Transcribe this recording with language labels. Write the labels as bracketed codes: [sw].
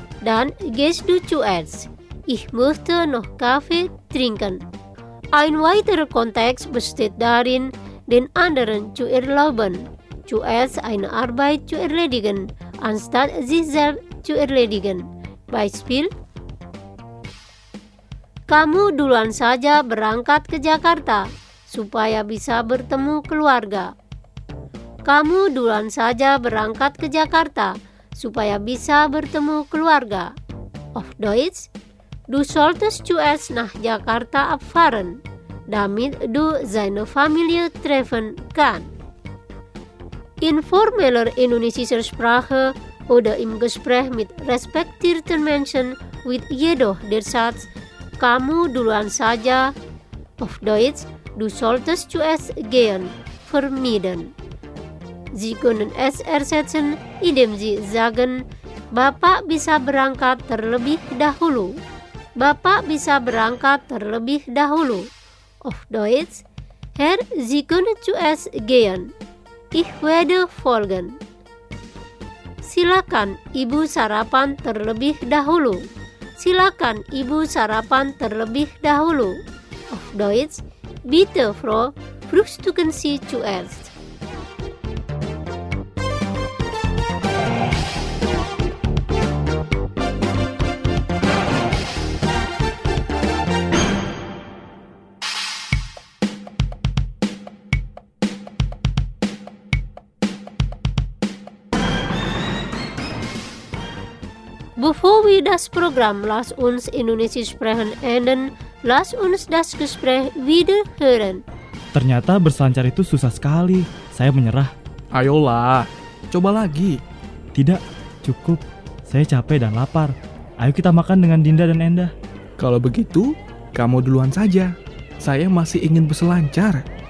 [de] Dan gehst du zuerst. Ich möchte noch Kaffee trinken. Ein weiterer Kontext besteht darin, den anderen zu erlauben, zuerst eine Arbeit zu erledigen, anstatt sich selbst zu erledigen. Beispiel. [id] Kamu duluan saja berangkat ke Jakarta supaya bisa bertemu keluarga. Kamu duluan saja berangkat ke Jakarta supaya bisa bertemu keluarga. [de] Auf Deutsch. Du solltest zuerst nach Jakarta abfahren, damit du seine Familie treffen kannst. In formeller indonesischer Sprache oder im Gespräch mit respektierten Menschen wird jedoch der Satz [id] Kamu duluan saja. [de] Auf Deutsch, du solltest zuerst gehen, vermieden. Sie können es ersetzen, indem Sie sagen, [id] Bapak bisa berangkat terlebih dahulu. Bapak bisa berangkat terlebih dahulu. [de] Auf Deutsch, Herr, Sie können zuerst gehen. Ich werde folgen. [id] Silakan, Ibu sarapan terlebih dahulu. Silakan Ibu sarapan terlebih dahulu. [de] Auf Deutsch, bitte Frau, frühstücken Sie zuerst. das Programm Lass uns Indonesisch sprechen enden, Lass uns das Gespräch wieder hören. [id] Ternyata berselancar itu susah sekali. Saya menyerah. Ayolah, coba lagi. Tidak, cukup. Saya capek dan lapar. Ayo kita makan dengan Dinda dan Enda. Kalau begitu, kamu duluan saja. Saya masih ingin berselancar.